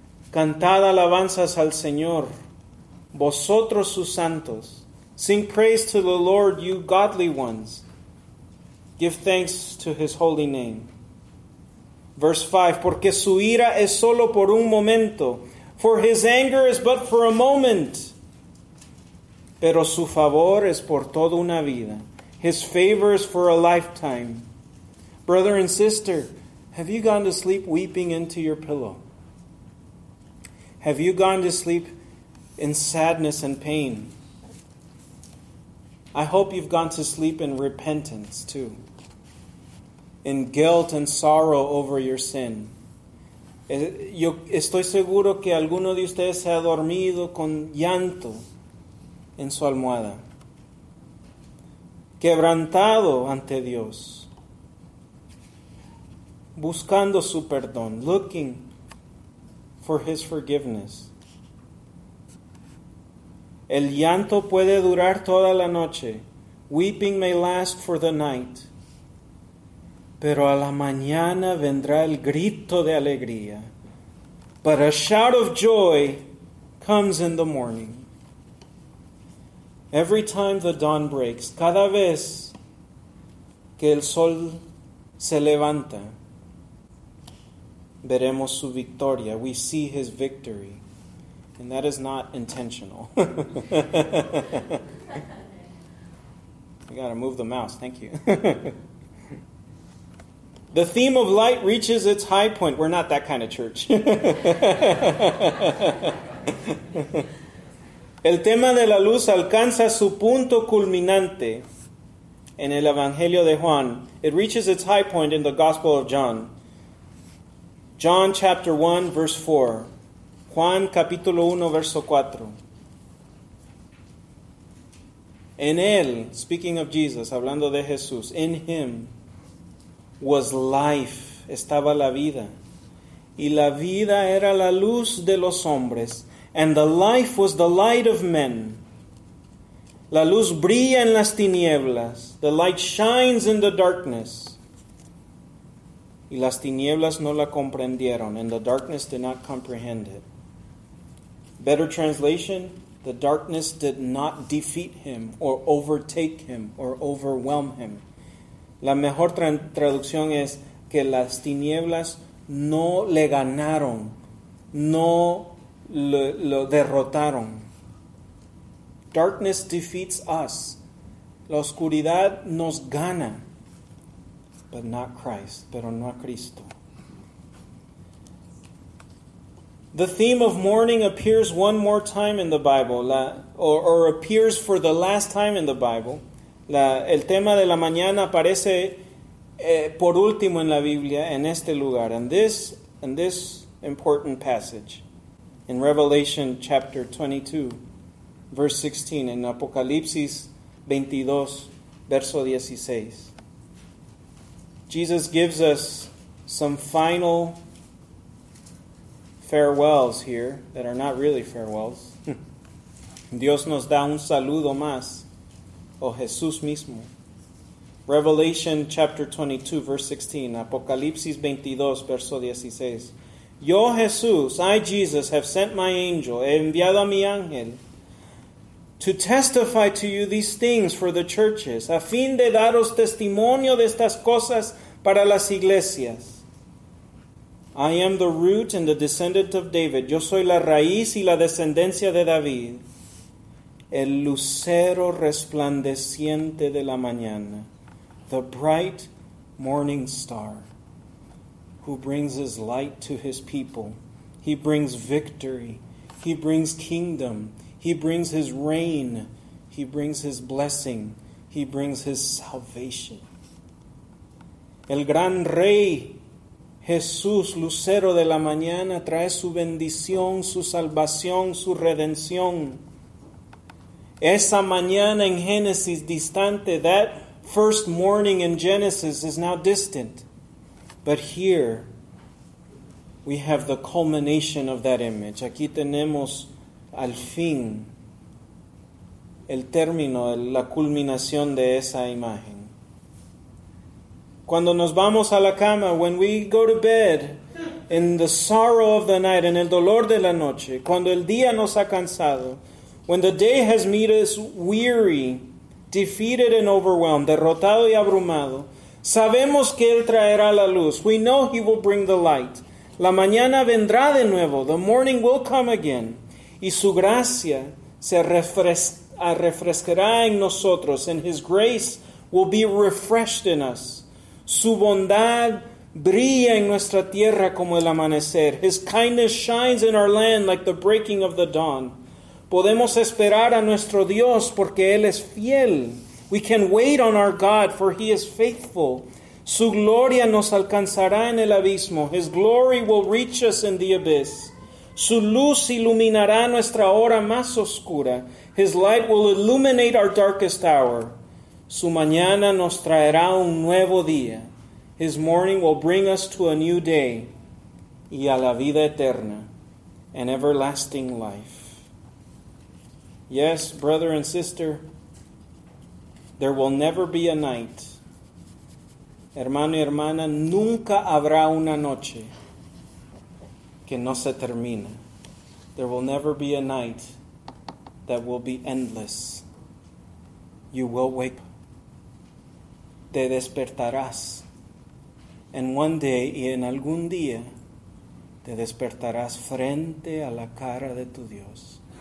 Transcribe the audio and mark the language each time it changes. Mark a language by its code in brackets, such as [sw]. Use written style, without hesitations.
[es] Cantad alabanzas al Señor, vosotros sus santos. [en] Sing praise to the Lord, you godly ones. Give thanks to his holy name. Verse 5. [es] Porque su ira es solo por un momento. [en] For his anger is but for a moment. [es] Pero su favor es por toda una vida. [en] His favor is for a lifetime. Brother and sister, have you gone to sleep weeping into your pillow? Have you gone to sleep in sadness and pain? I hope you've gone to sleep in repentance too, in guilt and sorrow over your sin. [es] Yo estoy seguro que alguno de ustedes se ha dormido con llanto en su almohada, quebrantado ante Dios, buscando su perdón, [en] looking for his forgiveness. [es] El llanto puede durar toda la noche. [en] Weeping may last for the night. [es] Pero a la mañana vendrá el grito de alegría. [en] But a shout of joy comes in the morning. Every time the dawn breaks, [es] cada vez que el sol se levanta, veremos su victoria. [en] We see his victory. And that is not intentional. I gotta move the mouse. Thank you. The theme of light reaches its high point. We're not that kind of church. [es] El tema de la luz alcanza su punto culminante en el Evangelio de Juan. [en] It reaches its high point in the Gospel of John. John chapter 1, verse 4. [es] Juan capítulo 1, verso 4. En él, [en] speaking of Jesus, [es] hablando de Jesús, [en] in him was life, [es] estaba la vida. Y la vida era la luz de los hombres. [en] And the life was the light of men. [es] La luz brilla en las tinieblas. [en] The light shines in the darkness. [es] Y las tinieblas no la comprendieron. [en] And the darkness did not comprehend it. Better translation, the darkness did not defeat him or overtake him or overwhelm him. [es] La mejor traducción es que las tinieblas no le ganaron, no lo derrotaron. [en] Darkness defeats us. [es] La oscuridad nos gana, [en] but not Christ, [es] pero no a Cristo. [en] The theme of mourning appears one more time in the Bible, or appears for the last time in the Bible. [es] El tema de la mañana aparece por último en la Biblia, en este lugar, [en] in this important passage, in Revelation chapter 22, verse 16, [es] in Apocalipsis 22, verso 16. [en] Jesus gives us some final farewells here that are not really farewells. [es] Dios nos da un saludo más, o Jesús mismo. [en] Revelation chapter 22, verse 16. [es] Apocalipsis 22, verso 16. Yo, Jesús, [en] I, Jesus, have sent my angel, [es] he enviado a mi ángel, [en] to testify to you these things for the churches, [es] a fin de daros testimonio de estas cosas para las iglesias. [en] I am the root and the descendant of David. [es] Yo soy la raíz y la descendencia de David. El lucero resplandeciente de la mañana. [en] The bright morning star who brings his light to his people. He brings victory. He brings kingdom. He brings his reign. He brings his blessing. He brings his salvation. [es] El gran rey Jesús, lucero de la mañana, trae su bendición, su salvación, su redención. Esa mañana en Génesis distante, [en] that first morning in Genesis is now distant. But here, we have the culmination of that image. [es] Aquí tenemos al fin, el término, la culminación de esa imagen. Cuando nos vamos a la cama, [en] when we go to bed, in the sorrow of the night, [es] en el dolor de la noche, cuando el día nos ha cansado, [en] when the day has made us weary, defeated and overwhelmed, [es] derrotado y abrumado, sabemos que Él traerá la luz. [en] We know He will bring the light. [es] La mañana vendrá de nuevo. [en] The morning will come again. [es] Y su gracia se refrescará en nosotros, [en] and His grace will be refreshed in us. [es] Su bondad brilla en nuestra tierra como el amanecer. [en] His kindness shines in our land like the breaking of the dawn. [es] Podemos esperar a nuestro Dios porque Él es fiel. [en] We can wait on our God, for He is faithful. [es] Su gloria nos alcanzará en el abismo. [en] His glory will reach us in the abyss. [es] Su luz iluminará nuestra hora más oscura. [en] His light will illuminate our darkest hour. [es] Su mañana nos traerá un nuevo día. [en] His morning will bring us to a new day. [es] Y a la vida eterna. [en] An everlasting life. Yes, brother and sister, there will never be a night. [es] Hermano y hermana, nunca habrá una noche que no se termina. [en] There will never be a night that will be endless. You will wake. [es] Te despertarás. [en] And one day, [es] y en algún día, te despertarás frente a la cara de tu Dios.